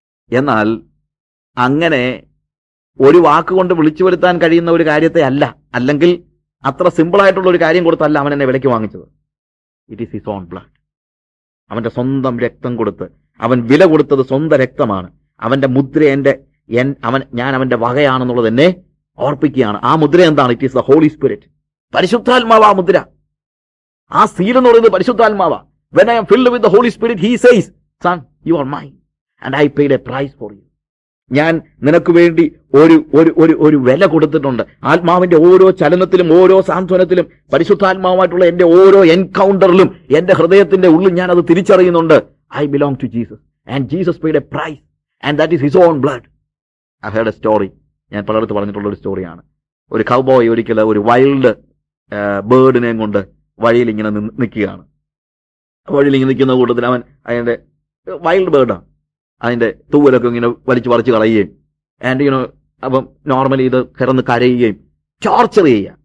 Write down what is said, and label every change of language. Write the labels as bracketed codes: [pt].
[ml] എന്നാൽ അങ്ങനെ ഒരു വാക്കുകൊണ്ട് വിളിച്ചു വരുത്താൻ കഴിയുന്ന ഒരു കാര്യത്തെ അല്ല, അല്ലെങ്കിൽ അത്ര സിമ്പിളായിട്ടുള്ള ഒരു കാര്യം കൊടുത്തല്ല അവൻ എന്നെ വിലയ്ക്ക് വാങ്ങിച്ചത്. [en] It is his own blood. [ml] അവൻ്റെ സ്വന്തം രക്തം കൊടുത്ത് അവൻ വില കൊടുത്തത് സ്വന്തം രക്തമാണ്. അവൻ്റെ മുദ്ര ഞാൻ അവൻ്റെ വകയാണെന്നുള്ളത് എന്നെ ഓർപ്പിക്കുകയാണ്. ആ മുദ്ര എന്താണ്? [en] It is the Holy Spirit. [ml] പരിശുദ്ധാത്മാവ് ആ മുദ്ര. ആ സീൽ എന്ന് പറയുന്നത് പരിശുദ്ധാത്മാവ്. [en] When I am filled with the Holy Spirit, he says, son, you are mine and I paid a price for you. [ml] ഞാൻ നിനക്ക് വേണ്ടി ഒരു വില കൊടുത്തിട്ടുണ്ട്. ആത്മാവിന്റെ ഓരോ ചലനത്തിലും ഓരോ സാന്ത്വനത്തിലും പരിശുദ്ധാത്മാവുമായിട്ടുള്ള എന്റെ ഓരോ എൻകൗണ്ടറിലും എന്റെ ഹൃദയത്തിന്റെ ഉള്ളിൽ ഞാൻ അത് തിരിച്ചറിയുന്നുണ്ട്. [en] I belong to Jesus and Jesus paid a price and that is his own blood. I heard a story. [ml] ഞാൻ പലയിടത്ത് പറഞ്ഞിട്ടുള്ള ഒരു സ്റ്റോറിയാണ്. ഒരു കൗബോയ് ഒരിക്കൽ ഒരു വൈൽഡ് ബേർഡിനെയും കൊണ്ട് വഴിയിൽ ഇങ്ങനെ നിൽക്കുകയാണ്. വഴിയിൽ ഇങ്ങനെ നിൽക്കുന്ന കൂട്ടത്തിൽ അവൻ അതിൻ്റെ വൈൽഡ് ബേർഡാണ്, അതിൻ്റെ തൂവലൊക്കെ ഇങ്ങനെ വലിച്ചു പറിച്ചു കളയുകയും ആൻഡ് യുനോ അപ്പം നോർമലി ഇത് കിടന്ന് കരയുകയും ചോർച്ചർ ചെയ്യുക.